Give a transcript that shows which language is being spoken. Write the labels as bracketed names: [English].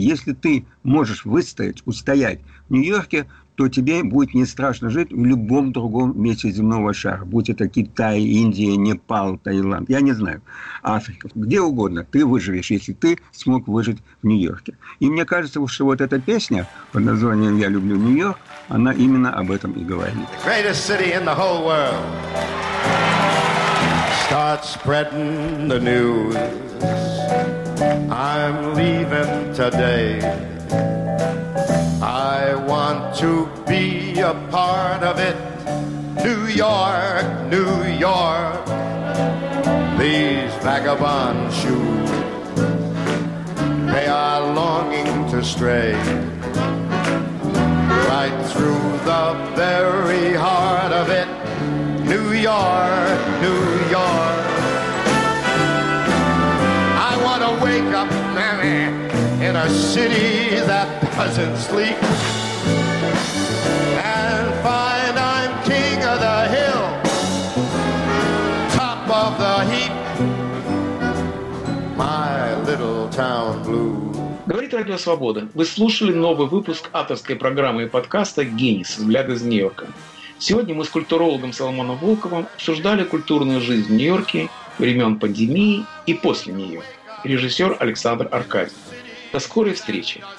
[Russian] Если ты можешь выстоять, устоять в Нью-Йорке, то тебе будет не страшно жить в любом другом месте земного шара. Будь это Китай, Индия, Непал, Таиланд, я не знаю, Африка, где угодно, ты выживешь, если ты смог выжить в Нью-Йорке. И мне кажется, что вот эта песня под названием «Я люблю Нью-Йорк», она именно об этом и говорит. [English] The greatest city in the whole world. Start spreading the news. I'm leaving today. I want to be a part of it. New York, New York. These vagabond shoes, they are longing to stray right through the very heart of it. New York, New York. I want to wake up, Mary, in a city that doesn't sleep, and find I'm king of the hill, top of the heap, my little town blue. [Russian] Говорит Радио Свобода. Вы слушали новый выпуск авторской программы и подкаста «Гений. Взгляд из Нью-Йорка». Сегодня мы с культурологом Соломоном Волковым обсуждали культурную жизнь в Нью-Йорке времен пандемии и после нее. Режиссер Александр Аркадьев. До скорой встречи.